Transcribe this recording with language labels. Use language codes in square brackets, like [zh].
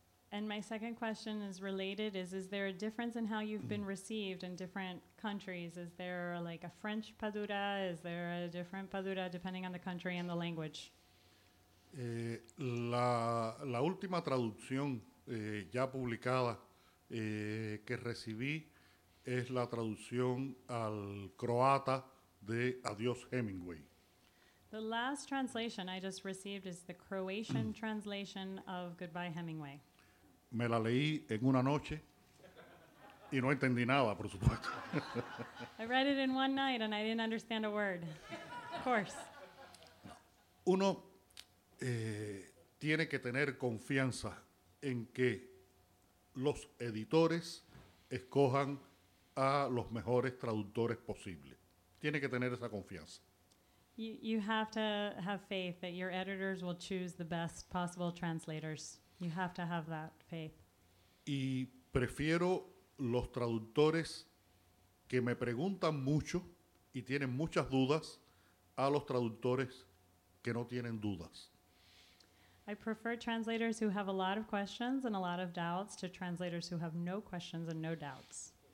[en] And my second question is related, is there a difference in how you've been received in different countries? Is there like a French Padura? Is there a different Padura depending on the country and the language? [es] La última traducción ya publicada que recibí es la traducción al croata de Adiós Hemingway. [en] The last translation I just received is the Croatian translation of Goodbye Hemingway. [es] Me la leí en una noche y no entendí nada, por supuesto. [en] I read it in one night and I didn't understand a word. Of course. [es] Uno tiene que tener confianza en que los editores escojan a los mejores traductores posibles. Tiene que tener esa confianza. [en] You have to have faith that your editors will choose the best possible translators. You have to have that faith. [es] Y prefiero los traductores que me preguntan mucho y tienen muchas dudas a los traductores que no tienen dudas. [en] I prefer translators who have a lot of questions and a lot of doubts to translators who have no questions and no doubts.